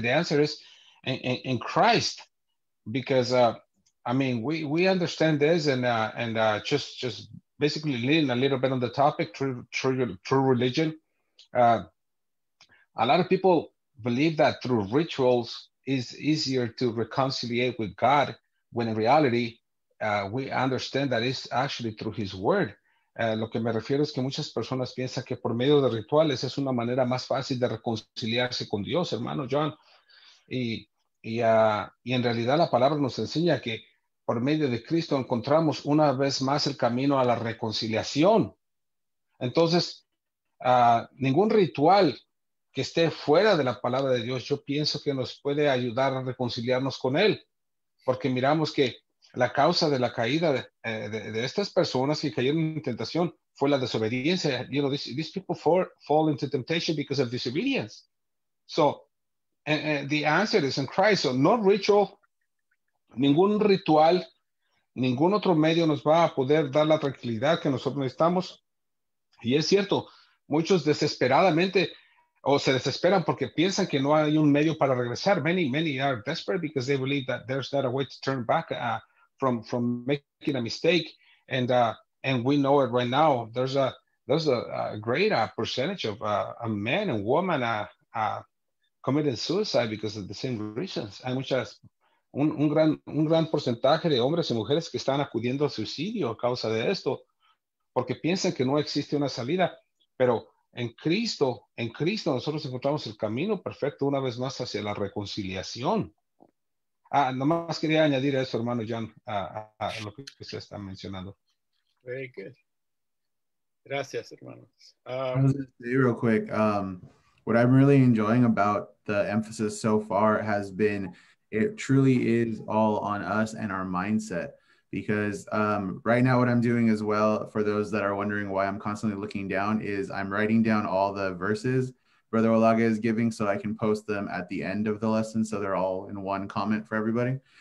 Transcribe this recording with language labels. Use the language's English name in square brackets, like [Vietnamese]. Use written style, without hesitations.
[English] The answer is in Christ, because we understand this and just basically leaning a little bit on the topic, true religion. A lot of people believe that through rituals is easier to reconcile with God, when in reality we understand that it's actually through His Word. [Spanish] Lo que me refiero es que muchas personas piensan que por medio de rituales es una manera más fácil de reconciliarse con Dios, hermano John. Y en realidad la palabra nos enseña que por medio de Cristo encontramos una vez más el camino a la reconciliación. Entonces, ningún ritual que esté fuera de la palabra de Dios, yo pienso que nos puede ayudar a reconciliarnos con Él. Porque miramos que la causa de la caída de estas personas que cayeron en tentación fue la desobediencia. [English] You know, these people fall into temptation because of disobedience. So, the answer is in Christ. So, no ritual, [Spanish] ningún ritual, ningún otro medio nos va a poder dar la tranquilidad que nosotros necesitamos. Y es cierto, muchos desesperadamente o se desesperan porque piensan que no hay un medio para regresar. [English] Many, many are desperate because they believe that there's not a way to turn back from making a mistake. And we know it right now. There's a great percentage of a man and woman committing suicide because of the same reasons. [Spanish] Hay muchas, un gran porcentaje de hombres y mujeres que están acudiendo al suicidio a causa de esto, porque piensan que no existe una salida. Pero en Cristo nosotros encontramos el camino perfecto una vez más hacia la reconciliación. Ah, nomás quería añadir a eso, hermano John, a lo que usted está mencionando. [English] Very good. [Spanish] Gracias, hermanos. [English] Real quick, what I'm really enjoying about the emphasis so far has been, it truly is all on us and our mindset. Because right now what I'm doing as well, for those that are wondering why I'm constantly looking down, is I'm writing down all the verses Brother Olaga is giving so I can post them at the end of the lesson, so they're all in one comment for everybody.